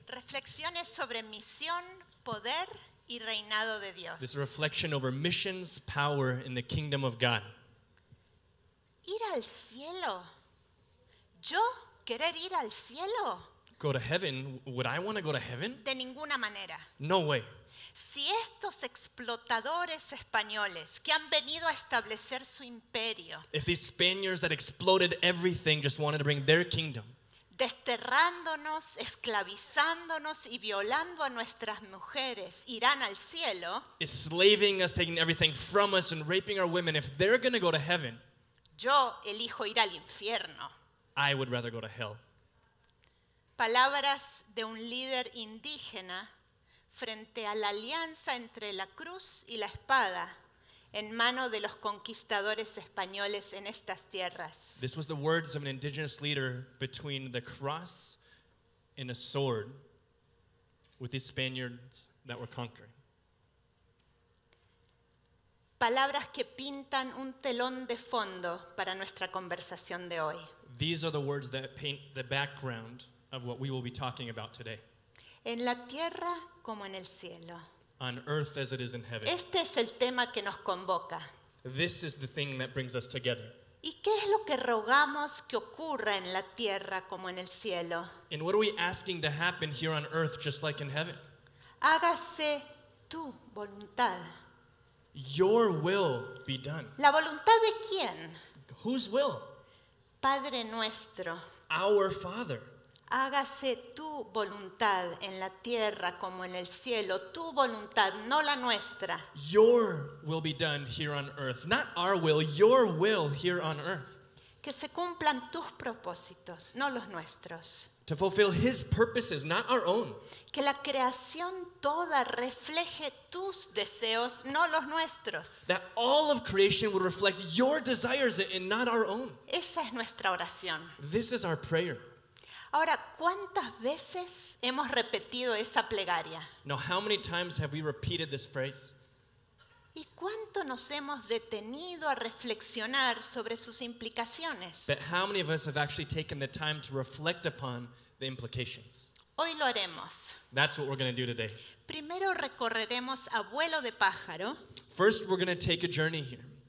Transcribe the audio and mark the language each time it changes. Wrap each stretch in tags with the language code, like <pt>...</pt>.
<es>Reflexiones sobre misión, poder y reinado de Dios.</es> <en>This reflection over missions, power in the kingdom of God.</en> <es>Ir al cielo. Yo querer ir al cielo.</es> <en>Go to heaven? Would I want to go to heaven?</en> <es>De ninguna manera.</es> <en>No way.</en> <es>Si estos explotadores españoles que han venido a establecer su imperio.</es> <en>If these Spaniards that exploded everything just wanted to bring their kingdom.</en> <es>Desterrándonos, esclavizándonos y violando a nuestras mujeres, irán al cielo.</es> <en>Enslaving us, taking everything from us and raping our women, if they're going to go to heaven.</en> <es>Yo elijo ir al infierno.</es> <en>I would rather go to hell.</en> <es>Palabras de un líder indígena frente a la alianza entre la cruz y la espada. En mano de los conquistadores españoles en estas tierras.</es> <en>This was the words of an indigenous leader between the cross and a sword with the Spaniards that were conquering.</en> <es>Palabras que pintan un telón de fondo para nuestra conversación de hoy.</es> <en>These are the words that paint the background of what we will be talking about today.</en> <es>En la tierra como en el cielo.</es> <en>On earth as it is in heaven.</en> <es>Este es el tema que nos convoca.</es> <en>This is the thing that brings us together.</en> <es>¿Y qué es lo que rogamos que ocurra en la tierra como en el cielo?</es> <en>And what are we asking to happen here on earth just like in heaven?</en> <es>Hágase tu voluntad.</es> <en>Your will be done.</en> <es>¿La voluntad de quién?</es> <en>Whose will?</en> <es>Padre nuestro.</es> <en>Our Father.</en> <es>Hágase tu voluntad en la tierra como en el cielo. Tu voluntad, no la nuestra.</es> <en>Your will be done here on earth. Not our will, your will here on earth.</en> <es>Que se cumplan tus propósitos, no los nuestros.</es> <en>To fulfill his purposes, not our own.</en> <es>Que la creación toda refleje tus deseos, no los nuestros.</es> <en>That all of creation would reflect your desires and not our own.</en> <es>Esa es nuestra oración.</es> <en>This is our prayer.</en> <es>Ahora, ¿cuántas veces hemos repetido esa plegaria?</es> <en>Now, how many times have we repeated this phrase?</en> <es>¿Y cuánto nos hemos detenido a reflexionar sobre sus implicaciones?</es> <en>But how many of us have actually taken the time to reflect upon the implications?</en> <es>Hoy lo haremos.</es> <en>That's what we're going to do today.</en> <es>Primero recorreremos a vuelo de pájaro.</es> <en>First, we're going to take a journey here.</en>